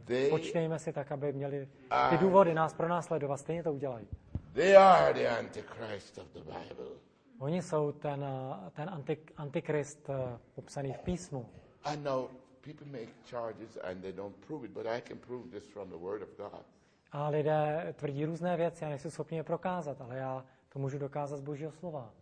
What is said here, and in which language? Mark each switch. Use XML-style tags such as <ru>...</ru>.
<cs>Počnejme si tak, aby měli ty důvody nás pronásledovat. Stejně to udělají.</cs> <en>They are the antichrist of the Bible.</en> <cs>Oni jsou ten antikrist popsaný v písmu.</cs> <en>I know people make charges and they don't prove it, but I can prove this from the word of God.</en> <cs>A lidé tvrdí různé věci a nejsou schopni je prokázat, ale já to můžu dokázat z Božího slova.</cs>